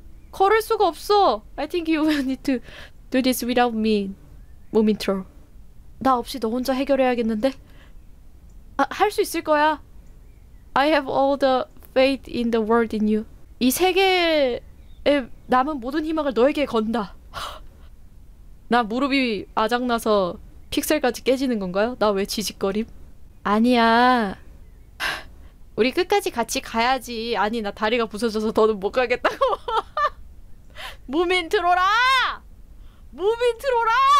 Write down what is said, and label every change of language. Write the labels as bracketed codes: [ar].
[ko] 걸을 수가 없어. [en] I think you will need to do this without me, Moomin Troll. [ko] 나 없이 너 혼자 해결해야겠는데? 아, 할 수 있을 거야. [en] I have all the faith in the world in you. [ko] 이 세계에 남은 모든 희망을 너에게 건다. 나 무릎이 아작나서 픽셀까지 깨지는 건가요? 나 왜 지직거림? 아니야. 우리 끝까지 같이 가야지. 아니, 나 다리가 부서져서 너는 못 가겠다고. 무민 트로라! 무민 트로라!